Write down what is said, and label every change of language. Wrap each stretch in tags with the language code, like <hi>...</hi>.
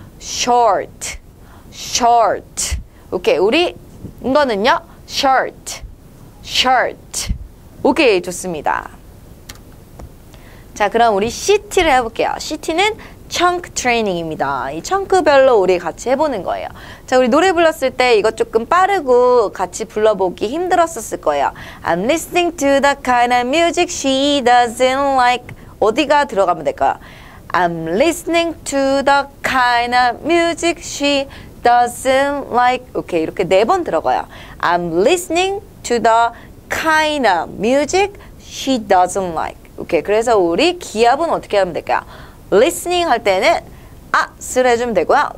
<en>short. short.</en> <ko>오케이, 우리 이거는요?</ko> <en>short. short.</en> <ko>오케이, 좋습니다. 자, 그럼 우리 CT를 해볼게요. CT는 chunk training입니다. 이 chunk별로 우리 같이 해보는 거예요. 자, 우리 노래 불렀을 때 이거 조금 빠르고 같이 불러보기 힘들었었을 거예요.</ko> <en>I'm listening to the kind of music she doesn't like.</en> <ko>어디가 들어가면 될까요?</ko> <en>I'm listening to the kind of music she doesn't like.</en> <ko>오케이, 이렇게 네번 들어가요.</ko> <en>I'm listening to the kind of music she doesn't like.</en> <ko>오케이, 그래서 우리 기합은 어떻게 하면 될까요? listening 할 때는 아스를 해주면 되고요.</ko>